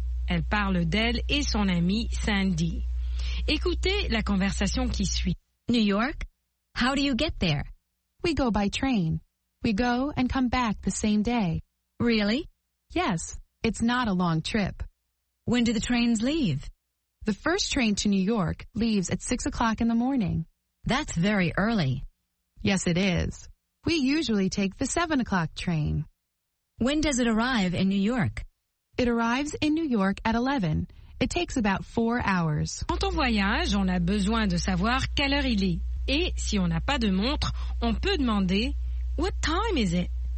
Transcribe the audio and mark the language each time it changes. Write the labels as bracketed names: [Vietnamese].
[French] Elle parle d'elle et son amie Sandy. Écoutez la conversation qui suit. [English] New York, how do you get there? We go by train. We go and come back the same day. Really? Yes, it's not a long trip. When do the trains leave? The first train to New York leaves at 6 o'clock in the morning. That's very early. Yes, it is. We usually take the 7 o'clock train. When does it arrive in New York? It arrives in New York at 11. It takes about 4 hours. [French] Quand on voyage, on a besoin de savoir quelle heure il est. Et si on n'a pas de montre, on peut demander, [English] What time is it?